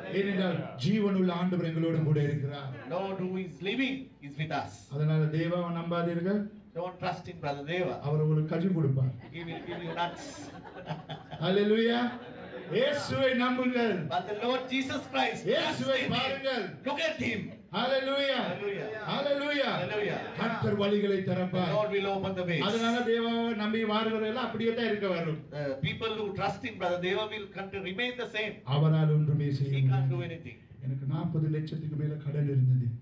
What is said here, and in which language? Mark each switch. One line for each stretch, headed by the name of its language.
Tamil: ஏனென்றால் ஜீவனுள்ள ஆண்டவர் எங்களோடு கூட இருக்கிறார்
English: lord who is living is with us
Tamil: அதனால தேவாவ நம்பாதீர்கள்
English: Don't trust in brother Deva.
Tamil: அவர் ஒரு கஜு கொடுப்பார்.
English: He will give you nuts.
Tamil: Hallelujah. இயேசுவை நம்புங்கள்.
English: But the Lord Jesus Christ.
Tamil: இயேசுவை பாருங்கள்.
English: Look at him. Hallelujah. Hallelujah.
Tamil: Hallelujah. கர்த்தர் வழிகளை திறப்பார்.
English: God will open the ways.
Tamil: அதனால தேவாவை நம்பி வாழ்றவங்க எல்லாம் அப்படியே தான் இருக்க வரும்.
English: People who trust in brother Deva will continue remain the same.
Tamil: அவரால் ஒன்றுமே செய்ய முடியாது.
English: He can't do anything.
Tamil: எனக்கு 40 லட்சத்துக்கு மேல கடன் இருந்தது.